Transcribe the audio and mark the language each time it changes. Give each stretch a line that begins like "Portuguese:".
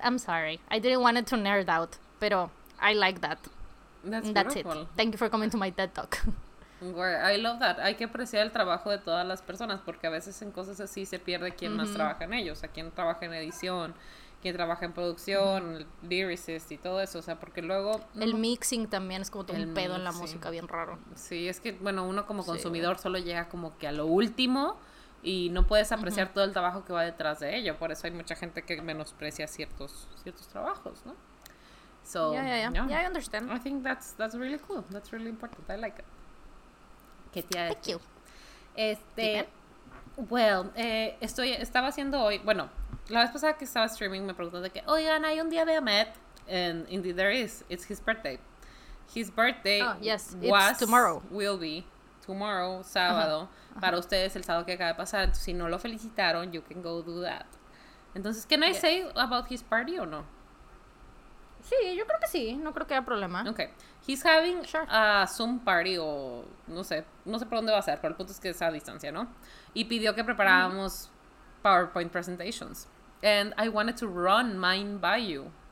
English: I'm sorry, I didn't want it to nerd out,
Spanish: pero
English: I like that. That's beautiful. It. Thank you for coming to my TED Talk.
Spanish: Güey,
English: I love that.
Spanish: Hay que apreciar el trabajo de todas las personas, porque a veces en cosas así se pierde quién más trabaja en ellos. O sea, quién trabaja en edición, quién trabaja en producción, lyricist y todo eso. O sea, porque luego... El mixing también es como todo un pedo en la música, bien raro. Sí, es que, bueno, uno como consumidor solo llega como que a lo último y no puedes apreciar todo el trabajo que va detrás de ello. Por eso hay mucha gente que menosprecia ciertos trabajos, ¿no?
English: So, yeah, I understand. I think that's really cool. That's really important. I like it. Thank you.
Spanish: Estaba haciendo hoy, bueno, la vez pasada que estaba streaming me preguntó de que, oigan, hay un día de Ahmed,
English: and indeed there is, it's his birthday. His birthday It's tomorrow. Will be tomorrow,
Spanish: sábado, para ustedes el sábado que acaba de pasar, entonces si no lo felicitaron,
English: you can go do that.
Spanish: Entonces,
English: can I say about his party
Spanish: o no? Sí, yo creo que sí, no creo que haya problema.
English: Okay. He's having a Zoom party
Spanish: o no sé por dónde va a ser, pero el punto es que es a distancia, ¿no? Y pidió que preparáramos
English: PowerPoint presentations. And I wanted to run mine by you.